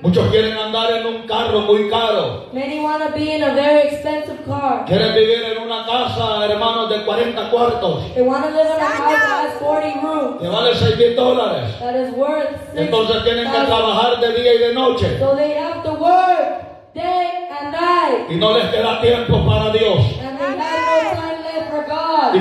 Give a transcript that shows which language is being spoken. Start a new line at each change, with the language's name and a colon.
Spanish: Muchos quieren andar en un carro muy caro.
English: Many want to be in a very expensive car.
Spanish: Quieren vivir en una casa, hermanos, de 40 cuartos.
English: They want to live in a house that has 40 rooms.
Spanish: Que vale $6,000.
English: That is worth $6,000.
Spanish: Entonces tienen que trabajar de día y de noche.
English: So they have to work day and night.
Spanish: Y no les queda tiempo para Dios.
English: And they have no time left for God.